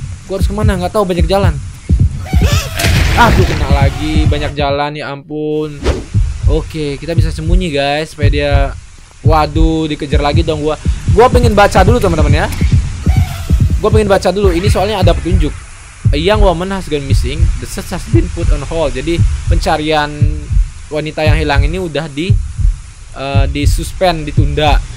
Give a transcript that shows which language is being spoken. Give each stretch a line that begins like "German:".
Indonesian: Gue harus kemana, gak tahu banyak jalan. Ah, gue kena lagi. Banyak jalan, ya ampun. Oke, kita bisa sembunyi guys. Supaya dia, waduh, dikejar lagi dong gue. Gue pengen baca dulu teman-teman ya. Gue pengen baca dulu. Ini soalnya ada petunjuk.
English: A young woman has gone missing. The search has been put on hold.
Indonesian: Jadi pencarian wanita yang hilang ini udah disuspend, ditunda.